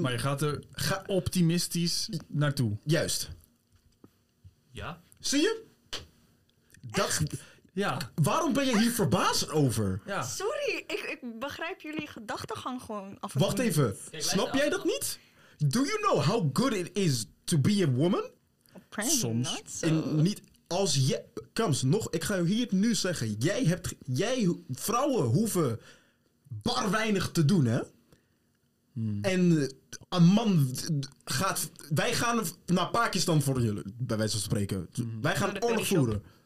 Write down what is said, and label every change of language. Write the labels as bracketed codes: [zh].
[nl] Maar je gaat er optimistisch naartoe. Juist. Ja. Zie je? Dat. Ja. Waarom ben je hier verbaasd over? Ja. Sorry, ik begrijp jullie gedachtegang gewoon af en toe. Wacht even, snap jij dat niet? [en] Do you know how good it is to be a woman? Apparently [nl] soms. [en] Not so. [nl] En niet als je. Kams, nog, ik ga je hier nu zeggen. Vrouwen hoeven bar weinig te doen, hè? Hmm. En een man gaat. Wij gaan naar Pakistan voor jullie, bij wijze van spreken. Hmm. Wij gaan oorlog voeren.